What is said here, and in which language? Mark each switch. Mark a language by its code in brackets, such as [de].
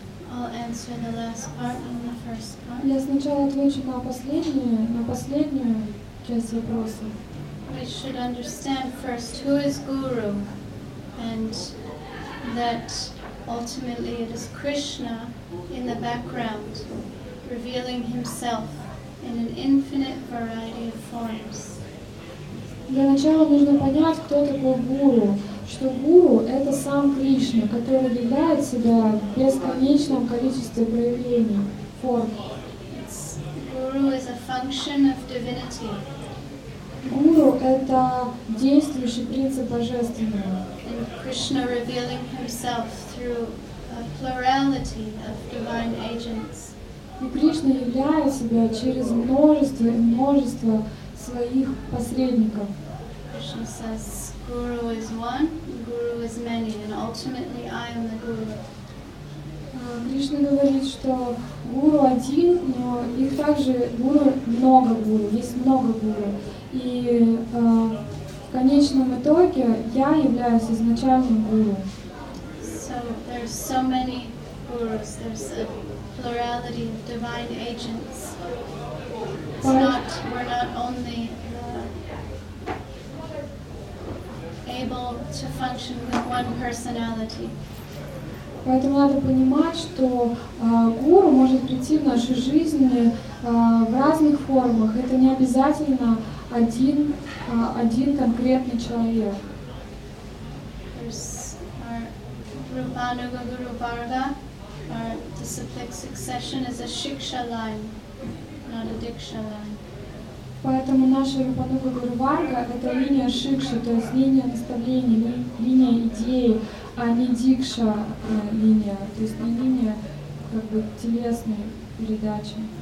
[en] I'll answer the last part and the first part. We should understand first who is Guru, and that ultimately it is Krishna in the background, revealing himself in an infinite variety of forms. [ru] Для начала нужно понять, кто такой Гуру. Что Гуру — это сам Кришна, который являет себя в бесконечном количестве проявлений, форм. [en] Guru is a function of divinity. [ru] Гуру — это действующий принцип божественного. [en] And Krishna revealing himself through a plurality of divine agents. [ru] И Кришна являет себя через множество и множество своих посредников. [en] Krishna says, Guru is one, Guru is many, and ultimately I am the Guru. [ru] Кришна говорит, что Гуру один, но их также Гуру много Гуру, есть много Гуру. И в конечном итоге я являюсь изначальным Гуру. [en] So there's so many Gurus, there's a plurality of divine agents. We're not only able to function with one personality. [ru] Поэтому надо понимать, что гуру может прийти в нашу жизнь в разных формах. Это не обязательно один конкретный человек. [en] There's our Rupanuga Guru Varga, our disciplic succession is a shiksha line, not a diksha line. [ru] Поэтому наша Рупануга Гуру Варга – это линия шикши, то есть линия наставления, линия идеи, а не дикша линия, то есть не линия как бы телесной передачи.